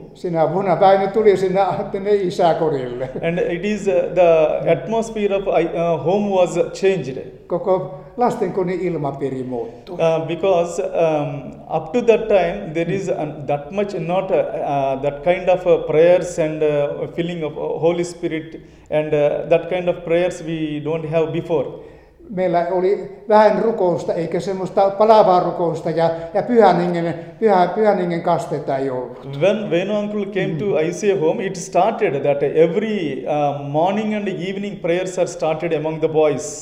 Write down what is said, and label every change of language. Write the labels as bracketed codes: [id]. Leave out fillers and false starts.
[fi] Sinä vuonna Väinö tuli sinne isäkodille. [en] And it is the atmosphere of home was changed. [fi] Koko lastenkodin ilmapiiri muuttui. [en] Because up to that time there is that much not that kind of prayers and filling of Holy Spirit and that kind of prayers we don't have before. [fi] Meillä oli vähän rukousta, eikä semmoista palavaa rukousta ja pyhän hengen kasteita ei ollut. [en] When Venu uncle came to ICA home, it started that every morning and evening prayers are started among the boys.